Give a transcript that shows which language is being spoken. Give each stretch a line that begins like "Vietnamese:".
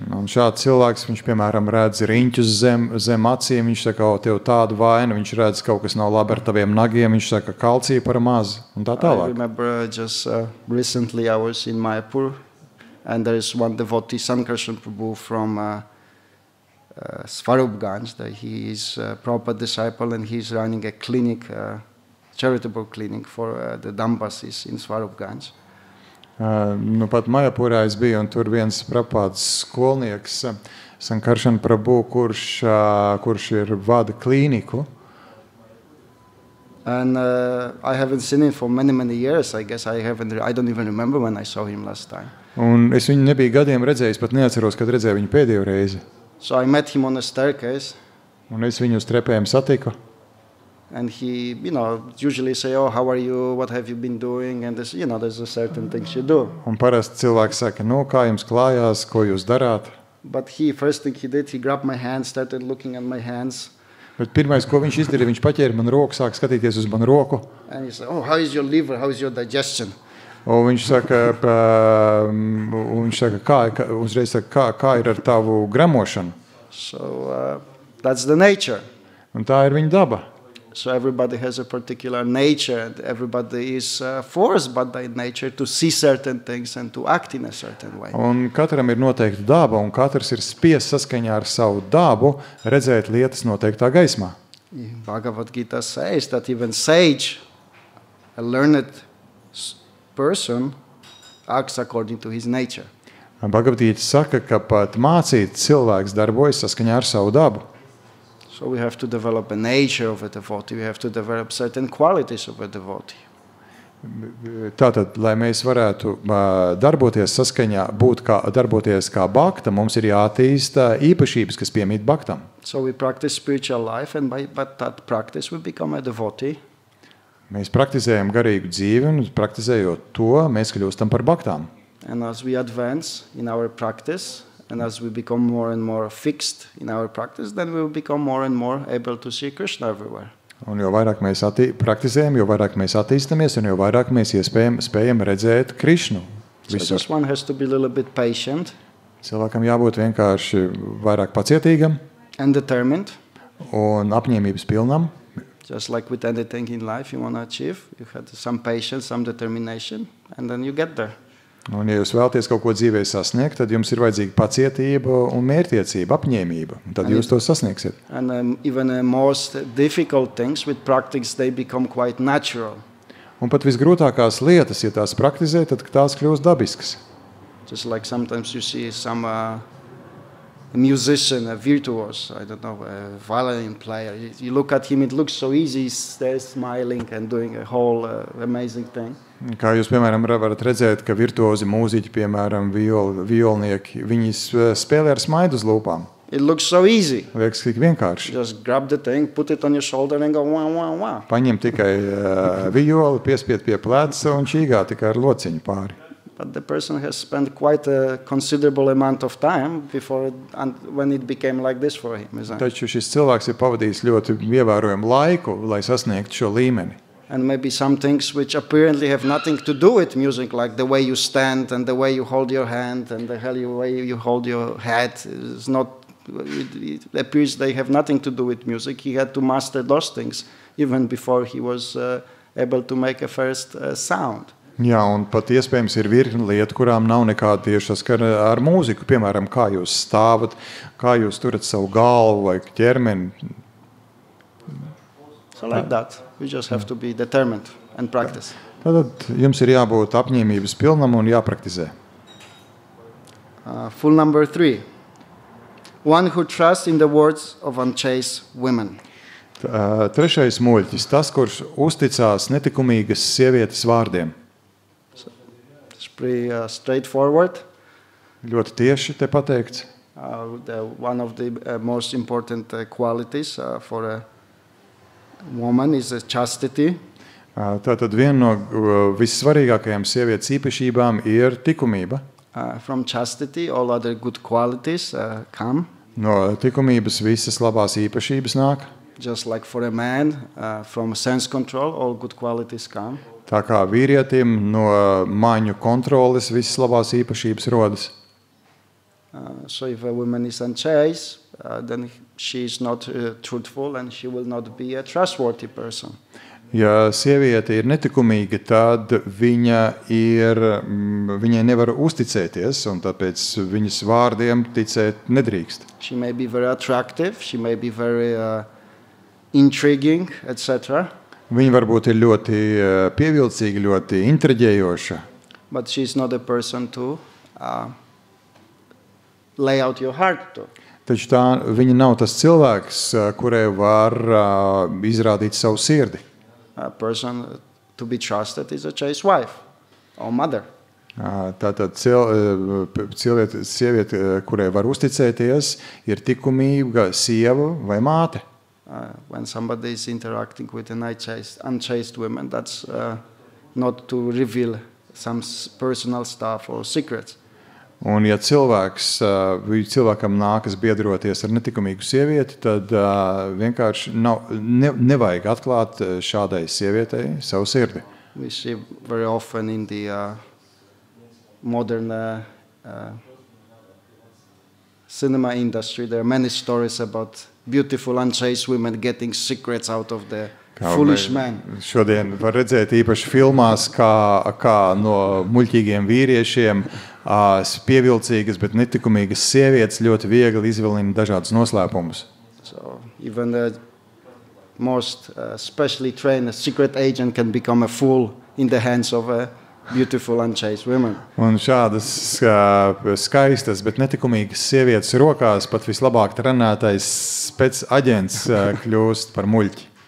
Latvian: Un šāds cilvēks, viņš piemēram redz riņķus zem acīm, viņš saka, o, tev tādu vainu, viņš redz kaut kas nav labi ar taviem nagiem, viņš saka, kalcija par maz, un tā tālāk.
English: I remember just recently I was in Mayapur, and there is one devotee, Sankarshan Prabhu, from Svarupganj, that he is a proper disciple and he is running a clinic, a charitable clinic for the Dambasis in Svarupganj.
Latvian: Nu, pat Mayapurā es biju, un tur viens prapāds skolnieks, Sankarshan Prabhu, kurš ir vada klīniku.
English: And I haven't seen him for many, many years, I guess. I don't even remember when I saw him last time.
Latvian: Un es viņu nebiju gadiem redzējis, pat neatceros, kad redzēju viņu pēdējo reizi.
English: So I met him on a staircase.
Latvian: Un es viņu uz trepēm satiku.
English: And he, you know, usually say, oh, how are you, what have you been doing, and this, you know, there's a certain things you do.
Latvian: Un parasti cilvēki saka, nu, kā jums klājās, ko jūs darāt?
English: But he, first thing he did, he grabbed my hand, started looking at my hands.
Latvian: Bet pirmais, ko viņš izdarīja, viņš paķēra man roku, sāka skatīties uz manu roku.
English: And he said, oh, how is your liver, how is your digestion?
Latvian: Un viņš saka, kā ir ar tavu gramošanu?
English: So, that's the nature.
Latvian: Un tā ir viņa daba.
English: So everybody has a particular nature and everybody is forced by that nature to see certain things and to act in a certain way.
Latvian: Un katram ir noteikta daba un katrs ir spiests saskaņā ar savu dabu redzēt lietas noteiktā gaismā.
English: Bhagavad Gita says that even sage, a learned person, acts according to his nature.
Latvian: Bhagavad Gita saka, ka pat mācīts cilvēks darbojas saskaņā ar savu dabu.
English: So we have to develop a nature of a devotee. We have to develop certain qualities of a devotee.
Latvian: Tātad, lai mēs varētu darboties saskaņā, darboties kā bakta, mums ir jātīst īpašības, kas piemīt baktam.
English: So we practice spiritual life and by that practice we become a devotee.
Latvian: Mēs praktizējam garīgu dzīvi un praktizējot to, mēs kļūstam par baktām.
English: And as we advance in our practice, and as we become more and more fixed in our practice, then we will become more and more able to see Krishna everywhere.
Latvian: Un jo vairāk mēs praktizējam, jo vairāk mēs attīstamies, un jo vairāk mēs spējam redzēt Krišnu.
English: So this one has to be a little bit patient.
Latvian: Cilvēkam jābūt vienkārši vairāk pacietīgam.
English: And determined.
Latvian: Un apņēmības pilnam.
English: Just like with anything in life you want to achieve, you have some patience, some determination, and then you get there.
Latvian: Un ja jūs vēlaties kaut ko dzīvē sasniegt, tad jums ir vajadzīga pacietība un mērtiecība, apņēmība. Tad jūs to sasniegsiet.
English: And even the most difficult things with practice, they become quite natural.
Latvian: Un pat visgrūtākās lietas, ja tās praktizē, tad tās kļūst dabiskas.
English: Just like sometimes you see some musician, a virtuos, I don't know, a violin player. You look at him, it looks so easy, he's smiling and doing a whole amazing thing.
Latvian: Kā jūs, piemēram, varat redzēt, ka virtuozi mūziķi, piemēram, violnieki, viņi spēlē ar smaidu uz lūpām.
English: It looks so easy.
Latvian: Liekas tik vienkārši.
English: Just grab the thing, put it on your shoulder and go wah, wah, wah.
Latvian: Paņem tikai violi, piespied pie pleca un čīgā tikai ar lociņu pāri.
English: but the person has spent quite a considerable amount of time before it, and when it became like this for him.
Latvian: Taču šis cilvēks ir pavadījis ļoti ievērojamu laiku, lai sasniegtu šo līmeni.
English: And maybe some things which apparently have nothing to do with music, like the way you stand and the way you hold your hand and the way you hold your head is not, it appears they have nothing to do with music. He had to master those things even before he was able to make a first sound.
Latvian: Jā, un pat iespējams ir virkni lietu, kurām nav nekāda tieša skara ar mūziku, piemēram, kā jūs stāvat, kā jūs turat savu galvu vai ķermeni.
English: So like that, we just have to be determined and practice.
Latvian: Tātad jums ir jābūt apņēmības pilnam un jāpraktizē.
English: Full number three. One who trusts in the words of unchaste women.
Latvian: Trešais muļķis, tas, kurš uzticās netikumīgas sievietes vārdiem.
English: It's pretty straightforward.
Latvian: Ļoti tieši te pateikts.
English: One of the most important qualities for a woman is a chastity.
Latvian: Tātad viena no vissvarīgākajām sievietes īpašībām ir tikumība.
English: From chastity all other good qualities come.
Latvian: No tikumības visas labās īpašības nāk.
English: Just like for a man, from sense control all good qualities come.
Latvian: Tā kā vīrietim no maņu kontroles visas labās īpašības rodas.
English: So if a woman is unchaste, then she is not truthful and she will not be a trustworthy person.
Latvian: Ja sieviete ir netikumīga, tad viņai nevar uzticēties un tāpēc viņas vārdiem ticēt nedrīkst.
English: She may be very attractive, she may be very intriguing, etc.
Latvian: Viņa varbūt ir ļoti pievilcīga, ļoti intriģējoša.
English: But she is not a person to lay out your heart to.
Latvian: Taču tā, viņa nav tas cilvēks, kurai var izrādīt savu sirdi.
English: A person to be trusted is a chaste wife or mother.
Latvian: Tātad sieviete, kurai var uzticēties, ir tikumīga sieva vai māte.
English: When somebody is interacting with an unchaste woman, that's not to reveal some personal stuff or secrets.
Latvian: Un ja cilvēkam nākas biedroties ar netikumīgu sievieti, tad vienkārši nevajag atklāt šādai sievietei savu sirdi.
English: We see very often in the modern cinema industry, there are many stories about beautiful unchaste women getting secrets out of the foolish man.
Latvian: Šodien var redzēt īpaši filmās, kā no muļķīgiem vīriešiem pievilcīgas, bet netikumīgas sievietes ļoti viegli izvilina dažādas noslēpumus.
English: So even the most specially trained secret agent can become a fool in the hands of a beautiful unchaste woman.
Latvian: Un šādas skaistas, bet netikumīgas sievietes rokās pat vislabāk trenētais spec aģents kļūst par muļķi.